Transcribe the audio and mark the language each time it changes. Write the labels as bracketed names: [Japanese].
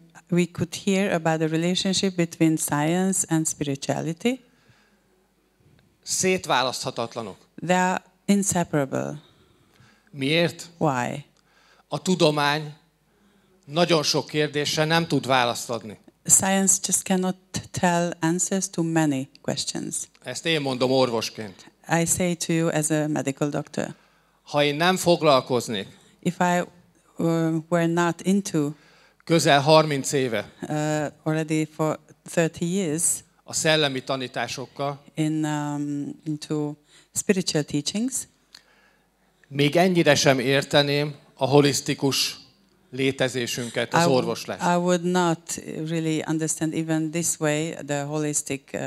[English] We could hear about the relationship between science and spirituality. [Hungarian] Szétválaszthatatlanok. [English] They are inseparable. [Hungarian] Miért? [English] Why? [Hungarian] A tudomány nagyon sok kérdésre nem tud választ adni. [English] Science just cannot tell answers to many questions. [Hungarian] Ezt én mondom orvosként. [English] I say to you as a medical doctor. [Hungarian] Ha én nem foglalkoznék, [English] if I were not into, [Hungarian] közel 30 éve, [English] already for 30 years, [Hungarian] a szellemi tanításokkal, [English] into spiritual teachings, [Hungarian] még ennyire sem érteném a holisztikus létezésünket, az orvoslást. [English] I would not really understand even this way the holistic